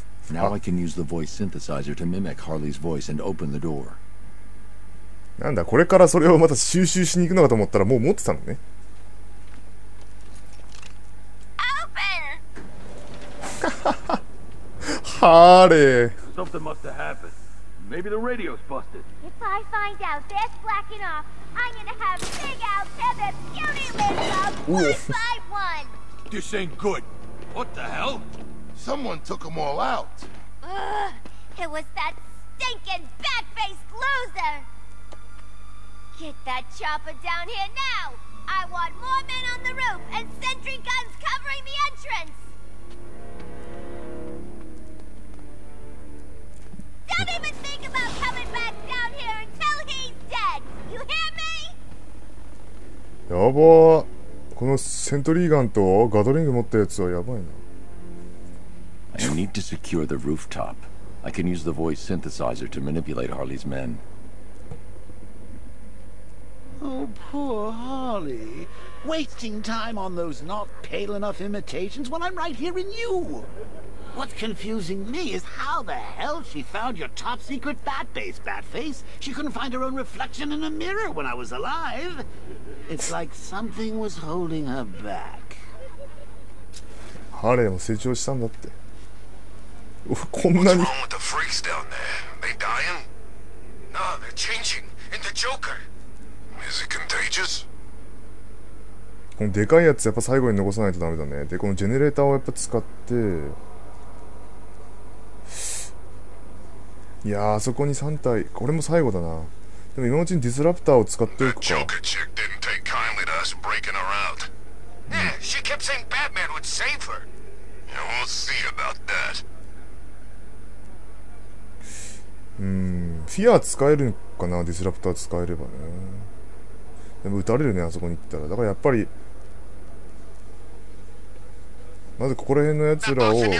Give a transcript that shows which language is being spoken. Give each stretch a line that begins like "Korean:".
English: Now I can use the voice synthesizer to mimic Harley's voice and open the door.
Japanese: なんだ、これからそれをまた収集しに行くのかと思ったらもう持ってたのね。
English: Something must have happened. Maybe the radio's busted. If I find out they're slacking off, I'm gonna have big out to the beauty list of 151. This ain't good. What the hell? Someone took them all out. Ugh, it was that stinking bat-faced loser. Get that chopper down here now. I want more men on the roof and sentry guns covering the entrance. Don't even think about coming back down here until he's dead! You hear me?
Japanese: やば。このセントリーガンとガトリング持ったやつはやばいな。
English: I need to secure the rooftop. I can use the voice synthesizer to manipulate Harley's men. Oh, poor Harley. Wasting time on those not pale enough imitations when I'm right here in you! What's confusing me is how the hell she found your top secret bat base, Batface. She couldn't find her own reflection in a mirror when I was alive. It's like something was holding her back.
Japanese: Harley も成長したんだって。こんなに。
English: What's wrong with the freaks down there? They dying? Nah, they're changing into Joker. Is it contagious?
Japanese: このでかいやつやっぱ最後に残さないとダメだね。で、このジェネレーターをやっぱ使って。いやあそこに3体これも最後だな。でも今のうちにディスラプターを使っておくか。
English: That Joker chick didn't take kindly to us breaking her out. Yeah, she kept saying Batman would save her. Yeah, we'll see about that.
Japanese: フィア使えるかな、ディスラプター使えればね。でも撃たれるね、あそこに行ったら。だからやっぱりまずここら辺のやつらを。